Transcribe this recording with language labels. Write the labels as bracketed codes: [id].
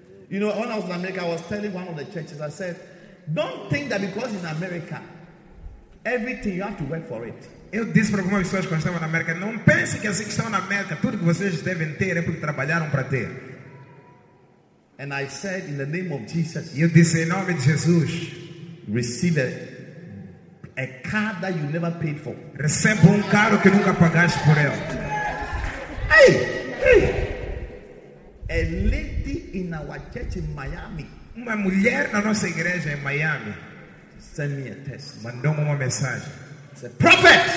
[en] You know, when I was in America, I was telling one of the churches, I said, don't think that because in America, everything, you have to work for it. [pt] Eu disse para algumas pessoas que estavam na América, não pense que assim que estão na América, tudo que vocês devem ter é porque trabalharam para ter. [en] And I said, in the name of Jesus, [pt] eu disse, em nome de Jesus, [en] receive a car that you never paid for. [pt] Receba um carro que nunca pagaste por ele. [en] Hey! Hey! A lady in our church in Miami. [pt] Uma mulher na nossa igreja em Miami. [en] Send me a text. [pt] Mandou-me uma mensagem. [en] Said, prophet!